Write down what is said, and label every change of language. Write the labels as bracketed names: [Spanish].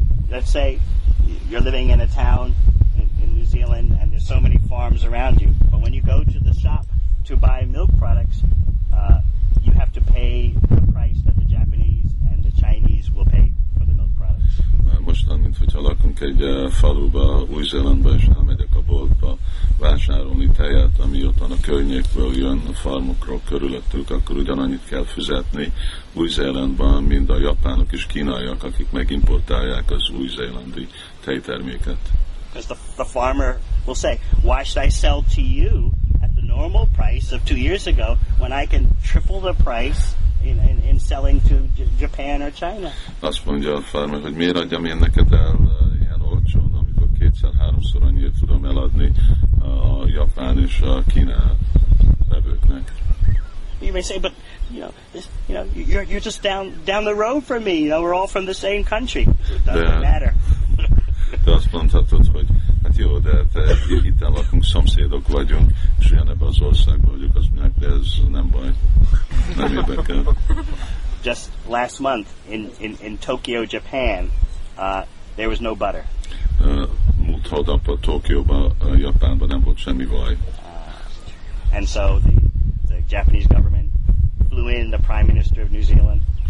[English] Let's say you're living in a town in New Zealand and there's so many farms around you, but when you go to the shop to buy milk products, you have to pay the price that the Japanese and the Chinese will pay for the milk products. [Hungarian] Mostan, mint hogyha lakunk egy faluba, Új-Zélandba, és elmegyek a boltba vásárolni tejet, ami ottan a környékből jön, a farmokról körülöttük, akkor ugyanannyit kell fizetni Új-Zélandban, mint a japánok és kínaiak, akik megimportálják az új-zélandi tejterméket. [English] Because the farmer will say, why should I sell to you at the normal price of 2 years ago when I can triple the price in selling to Japan or China? [Hungarian] Azt mondja a farmer, hogy miért adjam én neked el ilyen olcsón, amikor kétszer-háromszor annyit tudom eladni a japán és a kína levőknek. [English] You may say, but you're just down the road from me. You know, we're all from the same country. It doesn't matter. [Hungarian] De azt mondhatod, hogy hát jó, de te itt lakunk, szomszédok vagyunk, és ugyanebben az országban vagyok, az mondják, de ez nem baj. Nem érdekel. [English] Just last month in Tokyo, Japan, there was no butter. [Hungarian] Múlt hónapban Tokióban, Japánban nem volt semmi vaj. [English] And so the Japanese government flew in the Prime Minister of New Zealand.